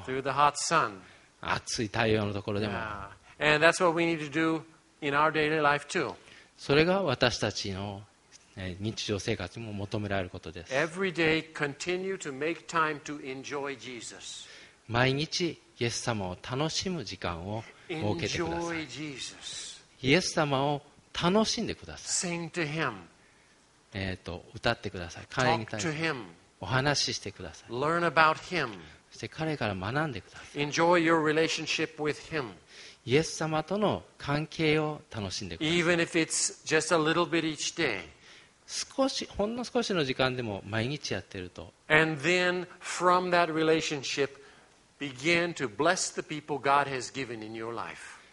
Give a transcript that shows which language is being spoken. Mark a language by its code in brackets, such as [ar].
[en] Through the hot sun. [ja] 熱い太陽のところでも、 [en] And that's what we need to do in our daily life too. [ja] それが私たちの日常生活にも求められることです。 [en] Every day continue to make time to enjoy Jesus. [ja] 毎日イエス様を楽しむ時間を設けてください。 [en] Enjoy Jesus. [ja] イエス様を楽しんでください。 [en] Sing to him. [ja] 歌ってください。彼に対して。 [en] Talk to him. [ja] お話ししてください。 [en] Learn about him. [ja] そして彼から学んでください。 [en] Enjoy your relationship with him. [ja] イエス様との関係を楽しんでください。 [en] Even if it's just a little bit each day. [ja] 少し、ほんの少しの時間でも毎日やってると。 [en] And then from that relationship, begin to bless the people God has given in your life.